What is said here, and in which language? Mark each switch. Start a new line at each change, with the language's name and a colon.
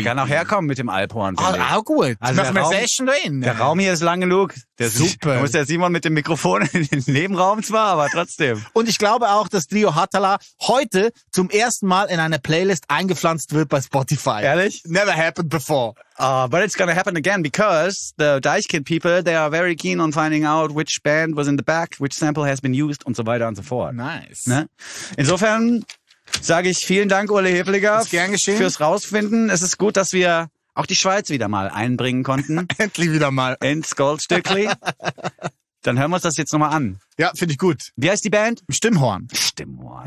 German: auch, kann auch herkommen mit dem Alphorn. Ah, auch gut. Also machen wir eine Session drin. Der Raum hier ist lang genug. Der Super. Da muss der Simon mit dem Mikrofon in den Nebenraum zwar, aber trotzdem. Und ich glaube auch, dass Trio Hatala heute zum ersten Mal in eine Playlist eingepflanzt wird bei Spotify. Ehrlich?
English: Never happened before. But it's gonna happen again, because the Deichkind people, they are very keen on finding out which band was in the back, which sample has been used
German: und so weiter und so fort.
English: Nice.
German: Ne? Insofern sage ich vielen Dank, Ulle Hebliger, gern geschehen. Fürs Rausfinden. Es ist gut, dass wir auch die Schweiz wieder mal einbringen konnten. Endlich wieder mal. Ins Goldstückli. Dann hören wir uns das jetzt nochmal an. Ja, finde ich gut. Wie heißt die Band? Stimmhorn. Stimmhorn.